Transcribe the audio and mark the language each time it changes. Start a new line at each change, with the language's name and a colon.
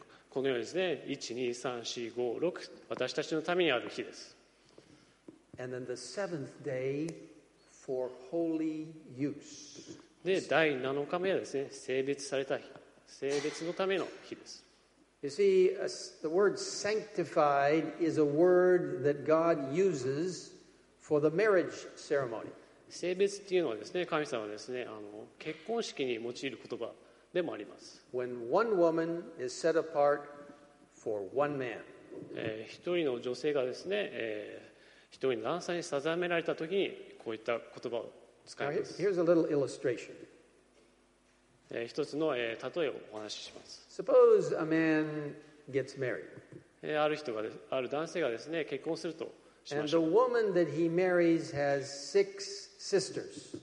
Japanese: このようにですね、1,2,3,4,5,6 私たちのためにある日です。
English: And then the seventh dayFor holy use.
Japanese: で第7日目はですね、聖別された日、聖別のための日です。
English: You see, the word sanctified is a word that God uses for the marriage ceremony.
Japanese: 聖別っていうのはですね、神様はですね、結婚式に用いる言葉でもあります。
English: When one woman is set apart for one man.
Japanese: 一人の女性がですね、一人の男性に定められた時にこういった言葉を使います。
English: Here's a little illustration.
Japanese: 一つの例えをお話しします。
English: Suppose a man gets married.
Japanese: ある男性がですね、結婚するとしましょう。
English: And the woman that he marries has six sisters.